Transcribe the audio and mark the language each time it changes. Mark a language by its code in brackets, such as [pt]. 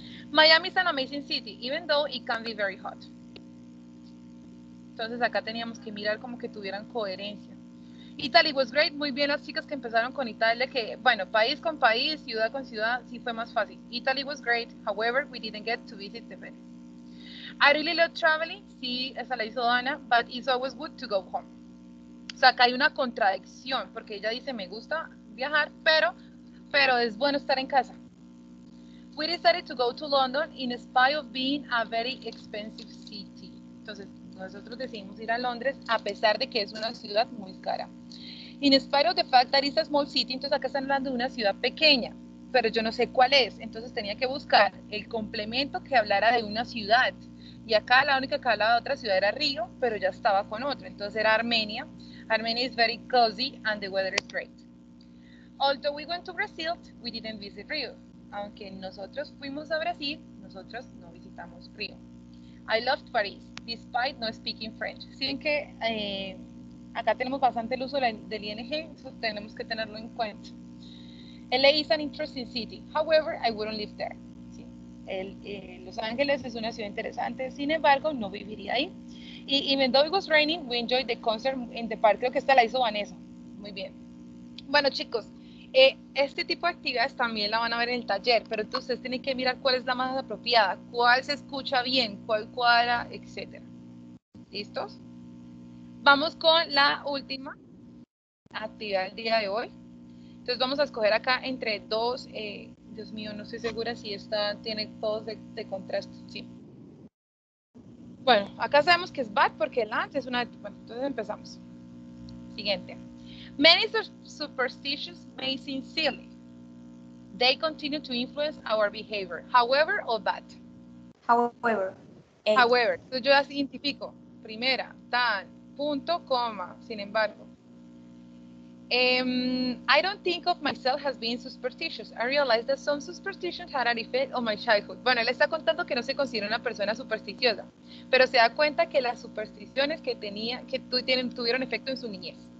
[en] Miami is an amazing city, even though it can be very hot. [es] Entonces, acá teníamos que mirar como que tuvieran coherencia. [en] Italy was great, [es] muy bien las chicas que empezaron con Italia, que bueno, país con país, ciudad con ciudad, sí fue más fácil. [en] Italy was great, however, we didn't get to visit the Venice. I really love traveling, [es] sí, esa la hizo Ana, [en] but it's always good to go home. [es] O sea, acá hay una contradicción, porque ella dice, me gusta viajar, pero es bueno estar en casa. [en] We decided to go to London in spite of being a very expensive city. [es] Entonces, nosotros decidimos ir a Londres a pesar de que es una ciudad muy cara. [en] In spite of the fact that it's a small city, [es] entonces acá están hablando de una ciudad pequeña, pero yo no sé cuál es, entonces tenía que buscar el complemento que hablara de una ciudad. Y acá la única que hablaba de otra ciudad era Río, pero ya estaba con otro, entonces era Armenia. [en] Armenia is very cozy and the weather is great. Although we went to Brazil, we didn't visit Río. [es] Aunque nosotros fuimos a Brasil, nosotros no visitamos Río. [en] I loved Paris, despite not speaking French. [es] Sin que acá tenemos bastante el uso del ING, eso tenemos que tenerlo en cuenta. [en] LA is an interesting city, however, I wouldn't live there. [es] Sí. Los Ángeles es una ciudad interesante, sin embargo, no viviría ahí. [en] Y even though it was raining, we enjoyed the concert in the park. [es] Creo que esta la hizo Vanessa. Muy bien. Bueno, chicos, este tipo de actividades también la van a ver en el taller, pero entonces tienen que mirar cuál es la más apropiada, cuál se escucha bien, cuál cuadra, etc. ¿Listos? Vamos con la última actividad del día de hoy. Entonces vamos a escoger acá entre dos, Dios mío, no estoy segura si esta tiene todos de contraste, sí. Bueno, acá sabemos que es bad porque el antes es una... Bueno, entonces empezamos. Siguiente. [en] Many superstitions may seem silly. They continue to influence our behavior. However or bad? However. [es] However. Entonces yo las identifico. Primera, tan, punto, coma, sin embargo. [en] I don't think of myself as being superstitious. I realized that some superstitions had an effect on my childhood. [es] Bueno, él está contando que no se considera una persona supersticiosa, pero se da cuenta que las supersticiones que tenía, que tuvieron efecto en su niñez.